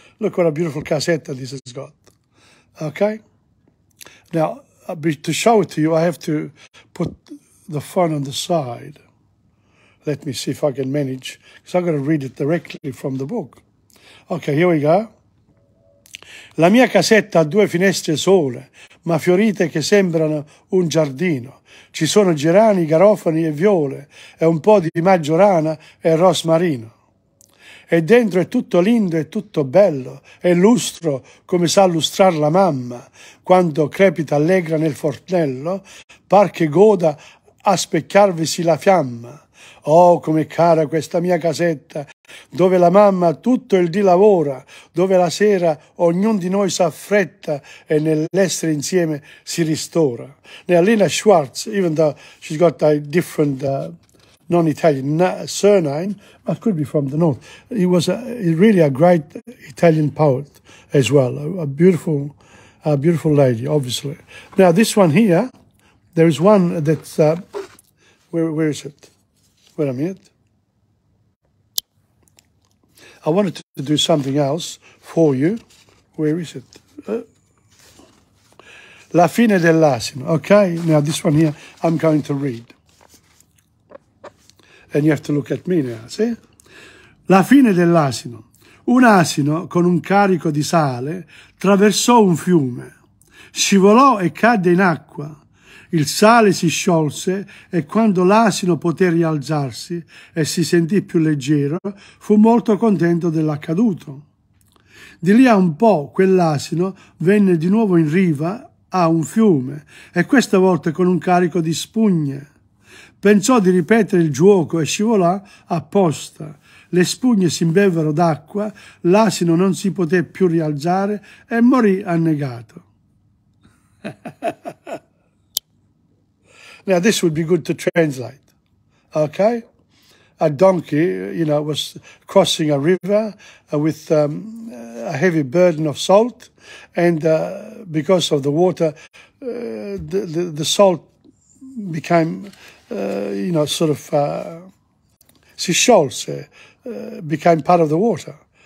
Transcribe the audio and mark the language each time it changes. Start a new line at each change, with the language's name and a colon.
English: Look what a beautiful cassetta this has got. Okay? Now, to show it to you, I have to put the phone on the side. Let me see if I can manage, because I've got to read it directly from the book. Okay, here we go.
Italian: La mia casetta ha due finestre sole, ma fiorite che sembrano un giardino. Ci sono gerani, garofani e viole, e un po' di maggiorana e rosmarino. E dentro è tutto lindo e tutto bello, e lustro come sa lustrar la mamma, quando crepita allegra nel fornello, par che goda a specchiarvisi la fiamma. Oh, com'è cara questa mia casetta, dove la mamma tutto il dì lavora, dove la sera ognun di noi s'affretta e nell'essere insieme si ristora.
English: Now, Lina Schwartz, even though she's got a different non-Italian surname, it could be from the north, he was really a great Italian poet as well, a beautiful lady, obviously. Now, this one here, there is one that's, where is it? Wait a minute. I wanted to do something else for you. Where is it? La fine dell'asino. Okay, now this one here, I'm going to read. And you have to look at me now, see?
Italian: La fine dell'asino. Un asino con un carico di sale traversò un fiume, scivolò e cadde in acqua. Il sale si sciolse e quando l'asino poté rialzarsi e si sentì più leggero, fu molto contento dell'accaduto. Di lì a un po' quell'asino venne di nuovo in riva a un fiume e questa volta con un carico di spugne. Pensò di ripetere il gioco e scivolò apposta. Le spugne si imbevvero d'acqua, l'asino non si poté più rialzare e morì annegato.
English: Now, this would be good to translate, okay? a donkey, you know, was crossing a river with a heavy burden of salt, and because of the water, the salt became, you know, sort of seashells, became part of the water.